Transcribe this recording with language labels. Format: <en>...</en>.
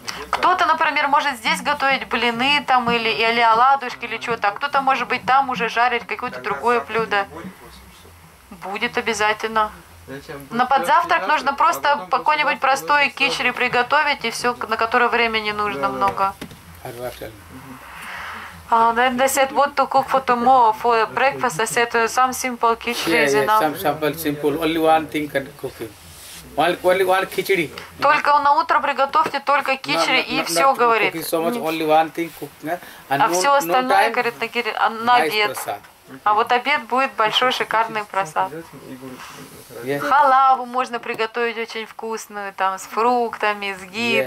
<ru>Кто-то, например, может здесь готовить блины там или оладушки или что-то, а кто-то может быть там уже жарить какое-то тогда другое блюдо. Будет обязательно. На подзавтрак нужно просто какой-нибудь простой кичри приготовить и все, на которое времени нужно много.</ru> <en>And I said, what to cook for tomorrow for breakfast? I said, some simple kichri is enough. Yeah, simple. Only one thing can cook. One khichdi.</en> <ru>Только на утро приготовьте только кичри и все, говорит.</ru> <en>So much, only one thing cook,</en> <ru>and а все остальное, time, говорит, на обед.</ru> <en>Nice.</en> <ru>А вот обед будет большой, шикарный просад.</ru> <en>Yes.</en> <ru>Халаву можно приготовить очень вкусную, там с фруктами, с ги, yeah.</ru>